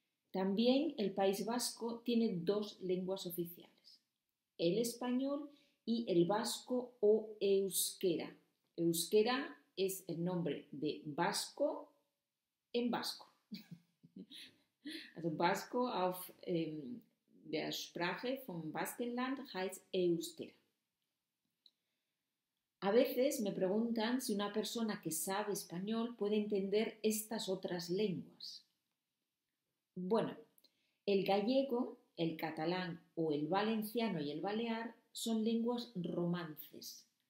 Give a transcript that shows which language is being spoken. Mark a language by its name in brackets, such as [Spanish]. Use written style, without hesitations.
[Spanish] También el País Vasco tiene dos lenguas oficiales, el español y el vasco o euskera. Euskera es el nombre de vasco en vasco. [German] Vasco auf der Sprache vom Baskenland heißt Euskera. [Spanish] A veces me preguntan si una persona que sabe español puede entender estas otras lenguas. Bueno, el gallego, el catalán o el valenciano y el balear son lenguas romances.